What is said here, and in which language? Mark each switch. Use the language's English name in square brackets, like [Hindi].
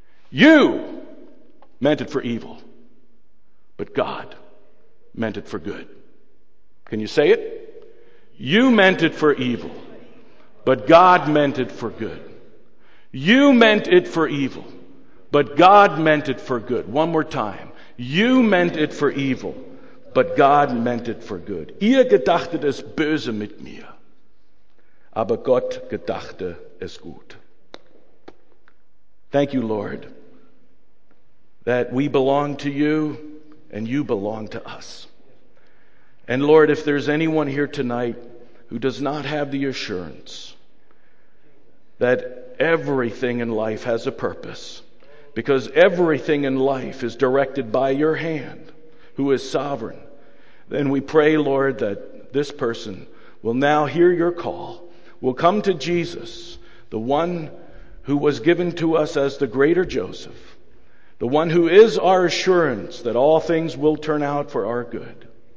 [English] You meant it for evil, but God meant it for good. Can you say it? You meant it for evil, but God meant it for good. You meant it for evil, but God meant it for good. One more time. You meant it for evil, but God meant it for good. [German] Ihr gedachtet es böse mit mir, aber Gott gedachte es gut. [English] Thank you, Lord, that we belong to you and you belong to us. And Lord, if there's anyone here tonight who does not have the assurance that everything in life has a purpose, because everything in life is directed by your hand, who is sovereign, then we pray, Lord, that this person will now hear your call, will come to Jesus, the one who was given to us as the greater Joseph, the one who is our assurance that all things will turn out for our good.